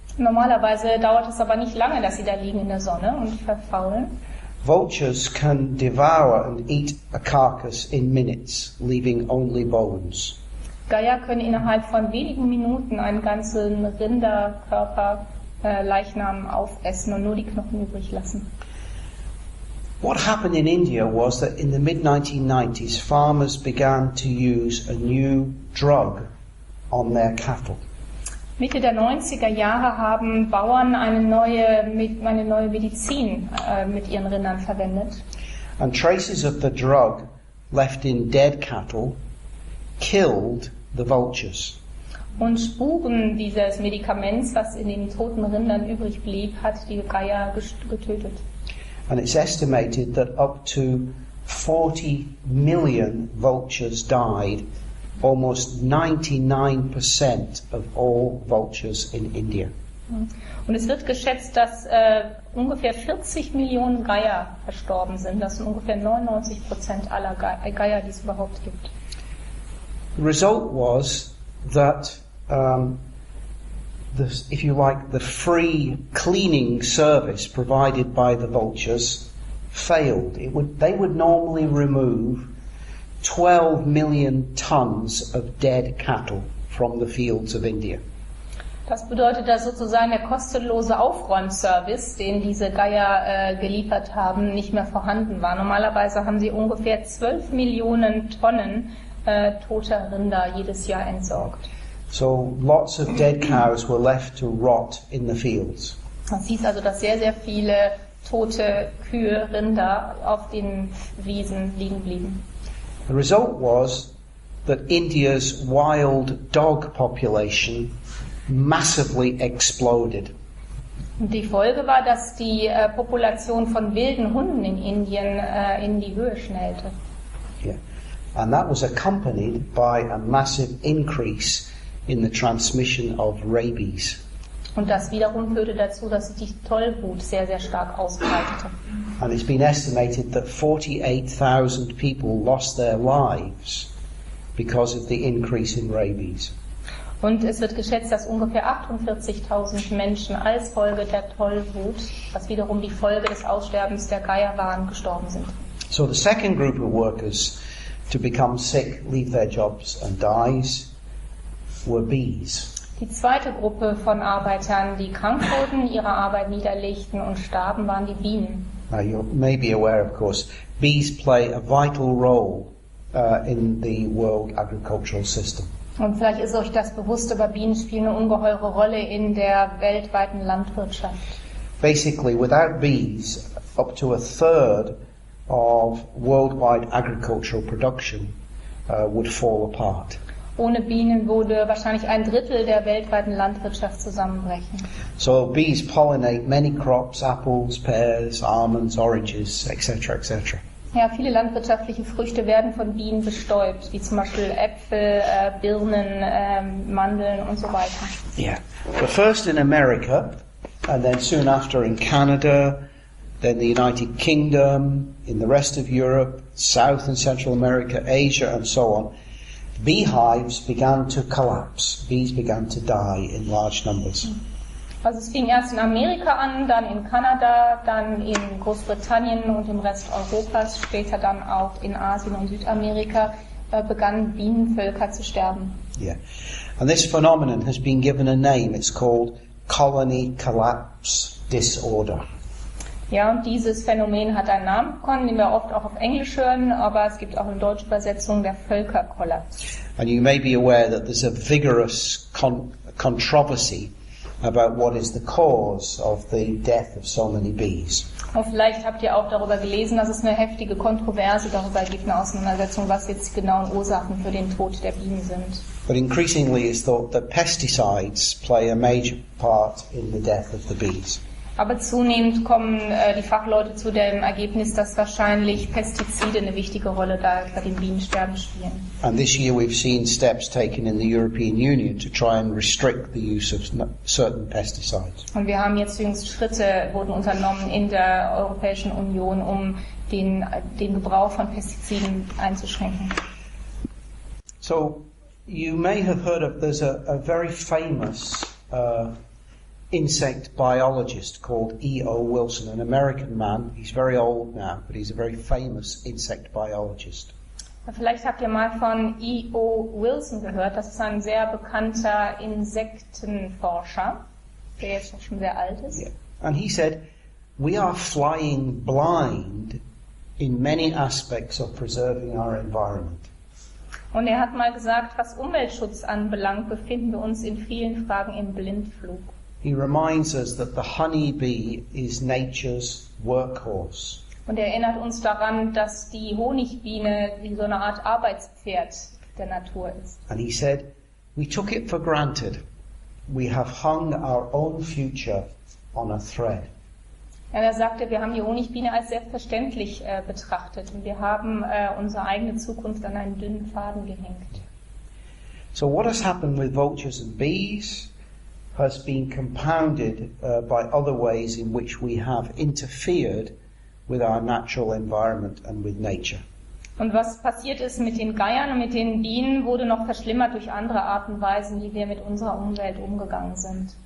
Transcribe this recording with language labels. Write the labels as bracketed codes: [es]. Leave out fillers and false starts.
[de] Normalerweise dauert es aber nicht lange, dass sie da liegen in der Sonne und verfaulen. [en] Vultures can devour and eat a carcass in minutes, leaving only bones. [de] Geier können innerhalb von wenigen Minuten einen ganzen Rinderkörper Leichnam aufessen und nur die Knochen übrig lassen. [en] What happened in India was that in the mid-1990s farmers began to use a new drug on their cattle. [de] Mitte der 90er Jahre haben Bauern eine neue Medizin mit ihren Rindern verwendet. [en] And traces of the drug left in dead cattle killed the vultures. [de] Und Spuren dieses Medikaments, was in den toten Rindern übrig blieb, hat die Geier getötet. [en] And it's estimated that up to 40 million vultures died, almost 99% of all vultures in India. [de] Und es wird geschätzt, dass ungefähr 40 Millionen Geier verstorben sind. Das sind ungefähr 99% aller Geier, die es überhaupt gibt. [en] The result was that the free cleaning service provided by the vultures failed. They would normally remove 12 million tons of dead cattle from the fields of India. [de] Das bedeutet, dass sozusagen der kostenlose Aufräumservice, den diese Geier geliefert haben, nicht mehr vorhanden war. Normalerweise haben sie ungefähr 12 Millionen Tonnen toter Rinder jedes Jahr entsorgt. [en] So lots of dead cows were left to rot in the fields. [de] Das hieß also, dass sehr, sehr viele tote Kühe, Rinder auf den Wiesen liegen blieben. [en] The result was that India's wild dog population massively exploded. [de] Die Folge war, dass die Population von wilden Hunden in Indien in die Höhe schnellte. [en] Yeah. And that was accompanied by a massive increase in the transmission of rabies. [de] Und das wiederum führte dazu, dass sich die Tollwut sehr, sehr stark ausbreitete. [en] And it's been estimated that 48,000 people lost their lives because of the increase in rabies. [de] Und es wird geschätzt, dass ungefähr 48.000 Menschen als Folge der Tollwut, was wiederum die Folge des Aussterbens der Geier waren, gestorben sind. [en] So the second group of workers to become sick, leave their jobs and dies were bees. [de] Die zweite Gruppe von Arbeitern, die krank wurden, ihre Arbeit niederlegten und starben, waren die Bienen. [en] Now you may be aware, of course, bees play a vital role in the world agricultural system. [de] Und vielleicht ist euch das bewusst, aber Bienen spielen eine ungeheure Rolle in der weltweiten Landwirtschaft. [en] Basically, without bees, up to a third of worldwide agricultural production would fall apart. [de] Ohne Bienen würde wahrscheinlich ein Drittel der weltweiten Landwirtschaft zusammenbrechen. [en] So bees pollinate many crops, apples, pears, almonds, oranges, etc., etc. [de] Ja, viele landwirtschaftliche Früchte werden von Bienen bestäubt, wie zum Beispiel Äpfel, Birnen, Mandeln und so weiter. [en] Yeah. But first in America, and then soon after in Canada, then the United Kingdom, in the rest of Europe, South and Central America, Asia and so on, beehives began to collapse. Bees began to die in large numbers. [de] Also es fing erst in Amerika an, dann in Kanada, dann in Großbritannien und im Rest Europas, später dann auch in Asien und Südamerika, begannen Bienenvölker zu sterben. [en] Yeah. And this phenomenon has been given a name. It's called colony collapse disorder. [de] Ja, und dieses Phänomen hat einen Namen bekommen, den wir oft auch auf Englisch hören, aber es gibt auch eine deutsche Übersetzung, der Völkerkollaps. [en] And you may be aware that there's a vigorous controversy about what is the cause of the death of so many bees. [de] Und vielleicht habt ihr auch darüber gelesen, dass es eine heftige Kontroverse darüber gibt, eine Auseinandersetzung, was jetzt die genauen Ursachen für den Tod der Bienen sind. [en] But increasingly it's thought that pesticides play a major part in the death of the bees. [de] Aber zunehmend kommen die Fachleute zu dem Ergebnis, dass wahrscheinlich Pestizide eine wichtige Rolle da bei dem Bienensterben spielen. [en] And this year we've seen steps taken in the European Union to try and restrict the use of certain pesticides. [de] Und wir haben jetzt jüngst Schritte wurden unternommen in der Europäischen Union, um den Gebrauch von Pestiziden einzuschränken. [en] So you may have heard of there's a very famous insect biologist called E.O. Wilson, an American man. He's very old now, but he's a very famous insect biologist. [de] Vielleicht habt ihr mal von E.O. Wilson gehört. Das ist ein sehr bekannter Insektenforscher, der jetzt schon sehr alt ist. [en] Yeah. And he said, we are flying blind in many aspects of preserving our environment. [de] Und er hat mal gesagt, was Umweltschutz anbelangt, befinden wir uns in vielen Fragen im Blindflug. [en] He reminds us that the honeybee is nature's workhorse. [de] Und erinnert uns daran, dass die Honigbiene wie so eine Art Arbeitspferd der Natur ist. [en] And he said, we took it for granted. We have hung our own future on a thread. [de] Und er sagte, wir haben die Honigbiene als selbstverständlich betrachtet und wir haben unsere eigene Zukunft an einen dünnen Faden gehängt. [en] So what has happened with vultures and bees has been compounded by other ways in which we have interfered with our natural environment and with nature. [de] Und was passiert ist mit den Geiern und mit den Bienen, wurde noch verschlimmert durch andere Arten und Weisen, wie wir mit unserer Umwelt umgegangen sind.